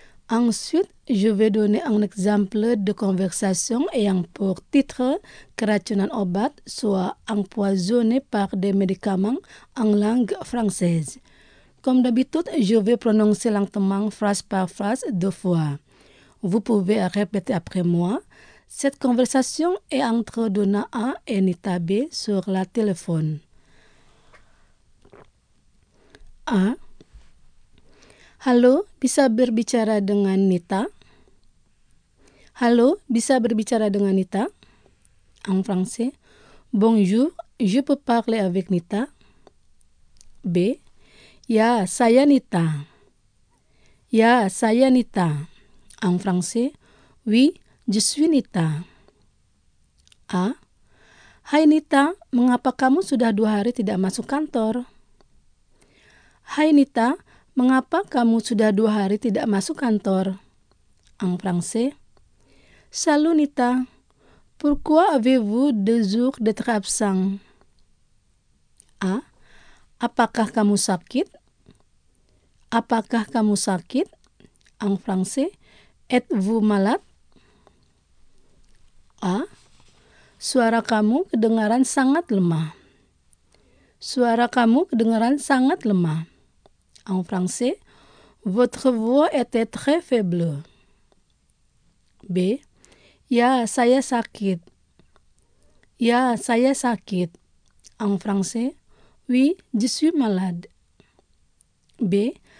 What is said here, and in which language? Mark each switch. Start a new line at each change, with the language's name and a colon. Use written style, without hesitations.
French: Ensuite, je vais donner un exemple de conversation ayant pour titre
Indonesian: keracunan obat,
French: soit empoisonné par des médicaments en langue française. Comme d'habitude, je vais prononcer lentement phrase par phrase deux fois. Vous pouvez répéter après moi. Cette conversation est entre Dona A et Nita B sur la téléphone. A.
Indonesian: Halo, bisa berbicara dengan Nita? Halo, bisa berbicara dengan Nita?
French: En français. Bonjour, je peux parler avec Nita?
Indonesian: B. Ya, saya Nita. Ya, saya Nita.
French: En français. Oui, je suis Nita. A.
Indonesian: Hai Nita, mengapa kamu sudah dua hari tidak masuk kantor? Hai Nita, mengapa kamu sudah dua hari tidak masuk kantor?
French: En français. Salut Nita. Pourquoi avez-vous deux jours d'être absent? A.
Indonesian: Apakah kamu sakit? Apakah kamu sakit?
French: En français, êtes-vous malade? A.
Indonesian: Suara kamu kedengaran sangat lemah. Suara kamu kedengaran sangat lemah.
French: En français, votre voix était très faible. B.
Indonesian: Ya, saya sakit. Ya, saya sakit.
French: En français, oui, je suis malade. B.